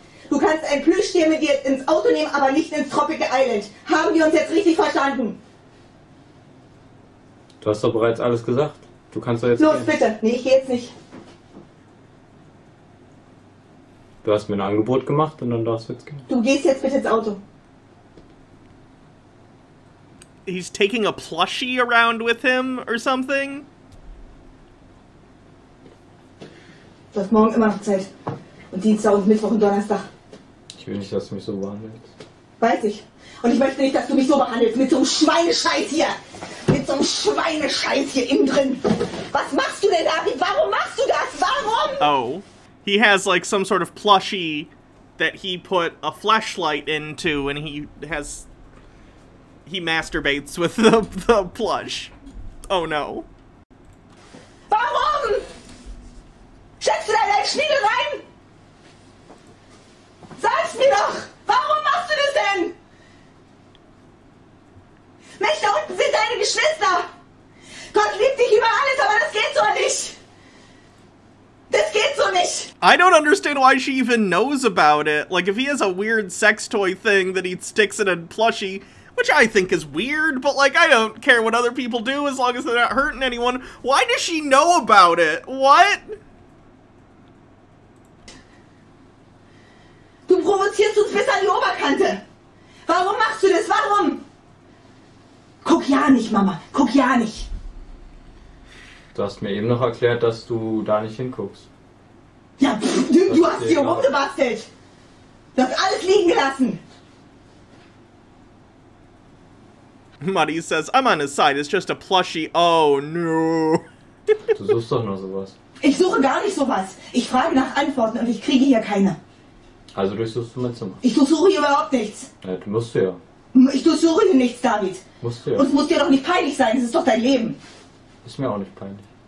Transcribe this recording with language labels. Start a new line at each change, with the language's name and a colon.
German: Du kannst ein Plüschtier mit dir ins Auto nehmen, aber nicht ins Tropical Island. Haben wir uns jetzt richtig verstanden? Du hast doch bereits alles gesagt. Du kannst doch jetzt... Los, gehen. Bitte. Nee, ich geh jetzt nicht. Du hast mir ein Angebot gemacht und dann darfst du jetzt gehen. Du gehst jetzt bitte ins Auto.
English: He's taking a plushie around with him or something?
German: Du hast morgen immer noch Zeit. Und Dienstag und Mittwoch und Donnerstag. Ich will nicht, dass du mich so behandelst. Weiß ich. Und ich möchte nicht, dass du mich so behandelst. Mit so einem Schweinescheiß hier. Mit so einem Schweinescheiß hier innen drin. Was machst du denn, David? Warum machst du das? Warum? Oh.
English: He has like some sort of plushie that he put a flashlight into and he has... He masturbates with the plush. Oh no.
German: Warum? Steckst du da deinen Schniedel rein? Sag's mir doch! Warum machst du das denn? Mensch, da unten sind deine Geschwister! Gott liebt dich über alles, aber das geht so nicht! Das geht so nicht!
English: I don't understand why she even knows about it. Like, if he has a weird sex toy thing that he sticks in a plushie, which I think is weird, but, like, I don't care what other people do as long as they're not hurting anyone. Why does she know about it? What?
German: Du provozierst uns bis an die Oberkante. Warum machst du das? Warum? Guck ja nicht, Mama. Guck ja nicht. Du hast mir eben noch erklärt, dass du da nicht hinguckst. Ja, du hast hier rumgebastelt. Du hast alles liegen gelassen.
English: Muddy says, I'm on his side, it's just a plushie. Oh, no.
German: Du suchst doch nur sowas. Ich suche gar nicht sowas. Ich frage nach Antworten und ich kriege hier keine. Also durchsuchst du mein Zimmer. Ich durchsuche hier überhaupt nichts. Ja, du musst ja. Ich durchsuche hier nichts, David. Musst du ja. Und es muss dir doch nicht peinlich sein, das ist doch dein Leben. Ist mir auch nicht peinlich.